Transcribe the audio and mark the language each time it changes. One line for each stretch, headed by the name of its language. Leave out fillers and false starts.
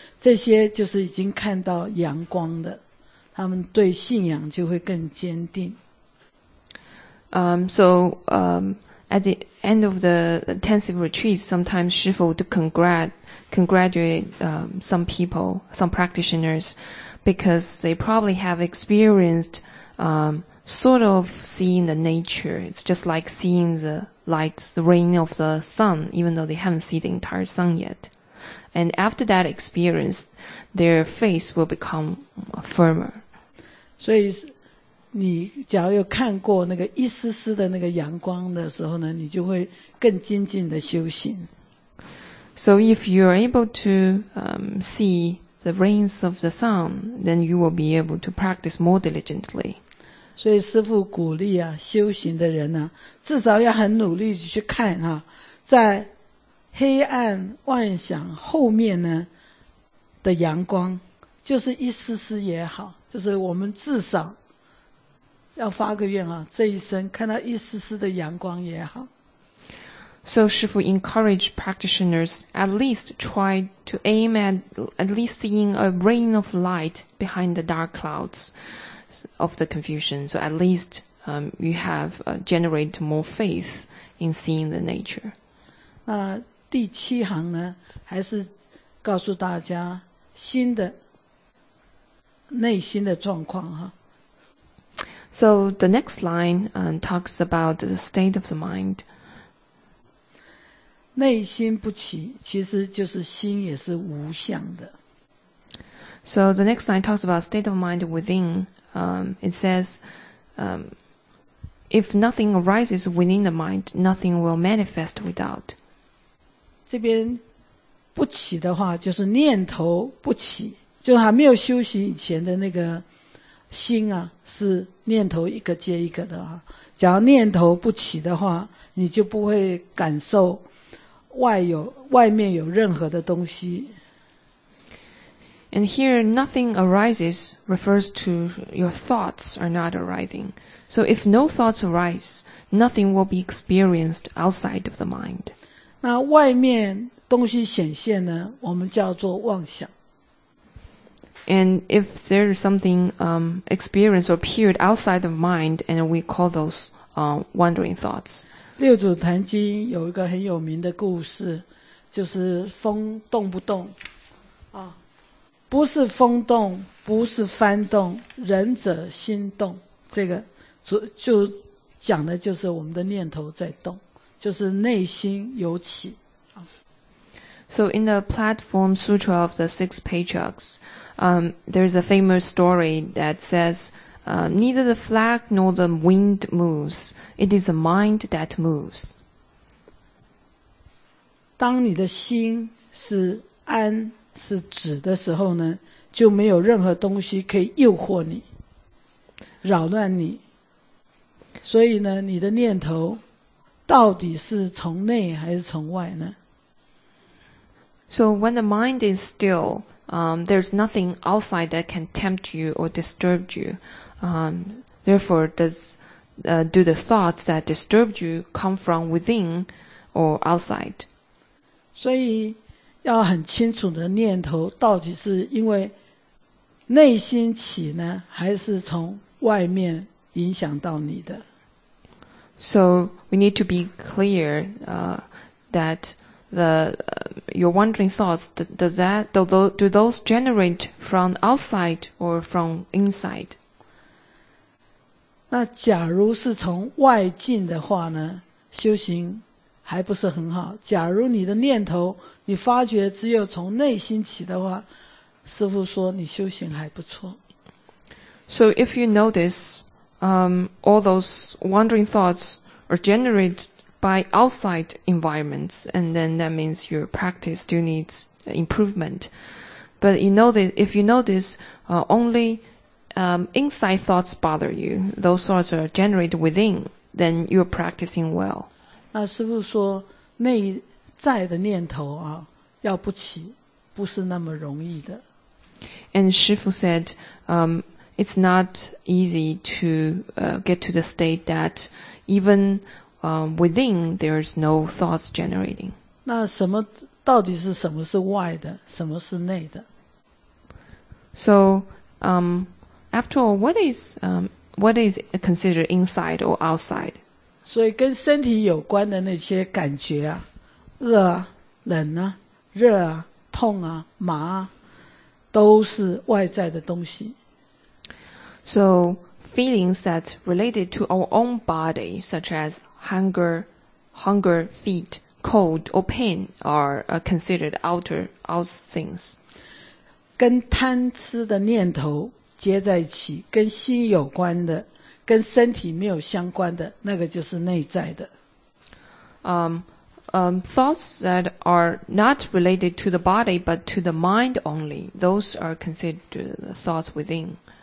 Chinese: 这些就是已经看到阳光的，他们对信仰就会更坚定。
English: At the end of the intensive retreats, sometimes Shifu would congratulate some people, some practitioners, because they probably have experienced sort of seeing the nature. It's just like seeing the light, the rain of the sun, even though they haven't seen the entire sun yet. And after that experience, their faith will become firmer.
Chinese: 所以你假如有看过那个一丝丝的那个阳光的时候呢，你就会更精进的修行。
English: So if you are able to see the rays of the sun, then you will be able to practice more diligently.
Chinese: 所以师父鼓励啊，修行的人啊，至少要很努力去看啊，在黑暗万想后面呢的阳光，就是一丝丝也好，就是我们至少。要发个愿啊，这一生看到一丝丝的阳光也好。
English: So, 师父 encourage practitioners at least try to aim at least seeing a ray of light behind the dark clouds of the confusion. So, at least you have generated more faith in seeing the nature.
Chinese: 那第七行呢，还是告诉大家心的内心的状况哈。
English: So the next line talks about the state of the mind.
Chinese: 内心不起，其实就是心也是无相的。
English: So the next line talks about state of mind within. It says, if nothing arises within the mind, nothing will manifest without.
Chinese: 这边不起的话，就是念头不起，就还没有修行以前的那个。心啊是念头一个接一个的啊，假如念头不起的话，你就不会感受外面有任何的东西。
English: And here nothing arises refers to your thoughts are not arising. So if no thoughts arise, nothing will be experienced outside of the mind.
Chinese: 那外面东西显现呢，我们叫做妄想。
English: And if there is something experienced or appeared outside of mind, and we call those wandering thoughts.
Chinese: 六祖坛经有一个很有名的故事，就是风动不动，啊，不是风动，不是幡动，仁者心动。这个就讲的就是我们的念头在动，就是内心有起。
English: So in the Platform Sutra of the Six Patriarchs, there is a famous story that says, neither the flag nor the wind moves. It is the mind that moves.
Chinese: 当你的心是安是止的时候呢，就没有任何东西可以诱惑你，扰乱你。所以呢，你的念头到底是从内还是从外呢？
English: So when the mind is still, there's nothing outside that can tempt you or disturb you. Therefore, do the thoughts that disturb you come from within or outside?
Chinese: 所以要很清楚的念头到底是因为内心起呢，还是从外面影响到你的。
English: So we need to be clear that your wandering thoughts, do those generate from outside or from inside?
Chinese: 那假如是从外境的话呢，修行还不是很好。假如你的念头你发觉只有从内心起的话，师父说你修行还不错。
English: So if you notice, all those wandering thoughts are generated by outside environments, and then that means your practice still needs improvement. But you know that if you notice, only inside thoughts bother you, those thoughts are generated within, then you're practicing well.
Chinese: 那师父说内在的念头啊，要不起，不是那么容易的。
English: And 师父 said, it's not easy to get to the state that even within there's no thoughts generating.
Chinese: 那什么到底是什么是外的，什么是内的？
English: So, after all, what is considered inside or outside?
Chinese: 所以跟身体有关的那些感觉啊，饿啊，冷啊，热啊，痛啊，麻啊，都是外在的东西。
English: So feelings that related to our own body, such as hunger, feet, cold or pain, are considered outer things.
Chinese: 跟贪吃的念头接在一起，跟心有关的，跟身体没有相关的，那个就是内在的。
English: Thoughts that are not related to the body but to the mind only, those are considered thoughts within.